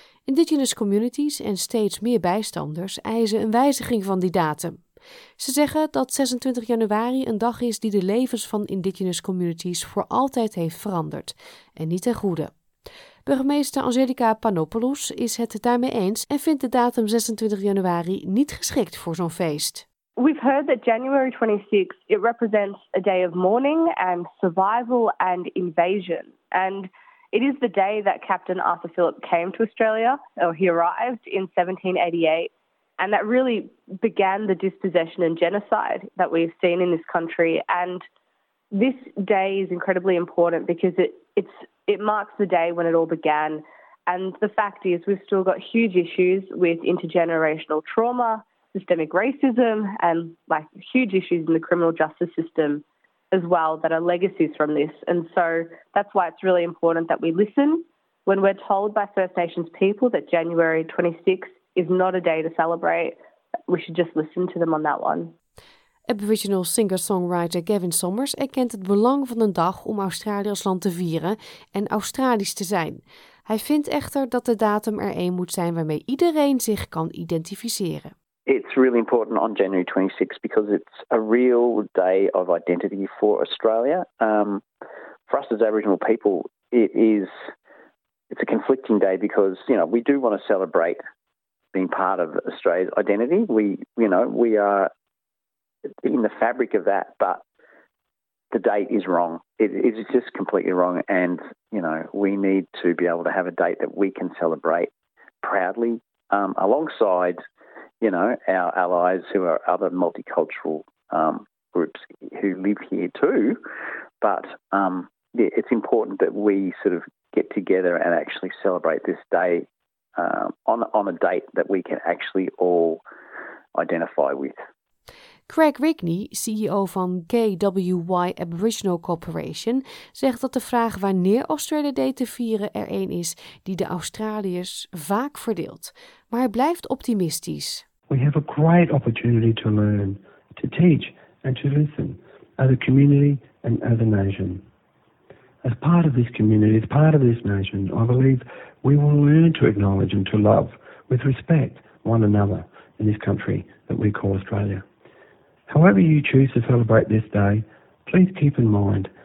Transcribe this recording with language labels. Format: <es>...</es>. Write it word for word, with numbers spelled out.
<nl>Indigenous communities en steeds meer bijstanders eisen een wijziging van die datum. Ze zeggen dat zesentwintig januari een dag is die de levens van Indigenous communities voor altijd heeft veranderd en niet ten goede. Burgemeester Angelica Panopoulos is het daarmee eens en vindt de datum zesentwintig januari niet geschikt voor zo'n feest.</nl> <en>We've heard that January twenty-sixth, it represents a day of mourning and survival and invasion. And it is the day that Captain Arthur Phillip came to Australia, or he arrived in seventeen eighty-eight. And that really began the dispossession and genocide that we've seen in this country. And this day is incredibly important because it it's it marks the day when it all began. And the fact is we've still got huge issues with intergenerational trauma, systemic racism, and like huge issues in the criminal justice system as well that are legacies from this. And so that's why it's really important that we listen when we're told by First Nations people that January twenty-sixth is not a day to celebrate. We should just listen to them on that one.</en> <nl>Aboriginal singer-songwriter Gavin Sommers erkent het belang van een dag om Australië als land te vieren en Australisch te zijn. Hij vindt echter dat de datum er één moet zijn waarmee iedereen zich kan identificeren.</nl> <en>It's really important on January twenty-sixth because it's a real day of identity for Australia. Um, for us as Aboriginal people, it is it's a conflicting day because you know we do want to celebrate being part of Australia's identity. We you know we are in the fabric of that, but the date is wrong. It is just completely wrong, and you know we need to be able to have a date that we can celebrate proudly um, alongside, you know, our allies who are other multicultural um, groups who live here too. But um, yeah, it's important that we sort of get together and actually celebrate this day um, on on a date that we can actually all identify with.</en> <nl>Craig Rigney, C E O van K W Y Aboriginal Corporation, zegt dat de vraag wanneer Australia Day te vieren er een is die de Australiërs vaak verdeelt. Maar hij blijft optimistisch.</nl> <en>We have a great opportunity to learn, to teach and to listen as a community and as a nation. As part of this community, as part of this nation, I believe we will learn to acknowledge and to love with respect one another in this country that we call Australia. However you choose to celebrate this day, please keep in mind</en>